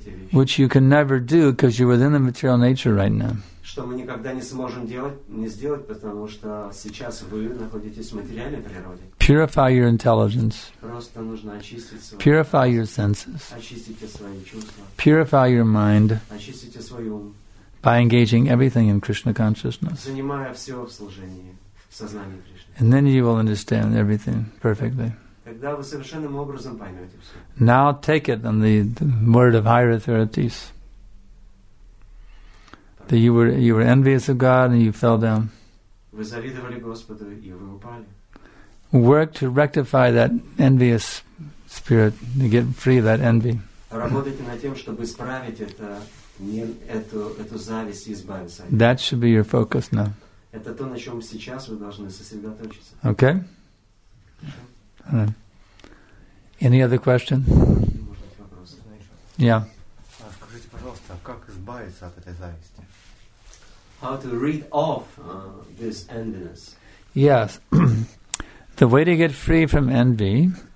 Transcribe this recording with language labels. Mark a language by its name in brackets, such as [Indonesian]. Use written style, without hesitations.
[English] Which you can never do because you're within the material nature right now. [Russian] Что мы никогда не сможем делать, не сделать, потому что сейчас вы находитесь в материальной природе. [English] Purify your intelligence. [Russian] Просто нужно очистить свой. [English] Purify your senses. [Russian] Очистите свои чувства. [English] Purify your mind. [Russian] Очистите свой ум. [English] By engaging everything in Krishna consciousness. [Russian] Занимая все в служении, в сознании Кришны. [English] And then you will understand everything perfectly. [Russian] Тогда вы совершенным образом поймете все. [English] Now take it on the word of higher authorities. That you were envious of God and you fell down. [Russian] Вы завидовали Господу, и вы упали. [English] Work to rectify that envious spirit, to get free of that envy. [Russian] Работайте над тем, чтобы исправить это, эту зависть и избавиться. [English] That should be your focus now. [Russian] Это то, на чем сейчас вы должны сосредоточиться. [English] Okay? Any other question? Yeah. [Russian] Скажите, пожалуйста, как избавиться от этой зависти? [English] How to rid off this enviness? Yes, the way to get free from envy.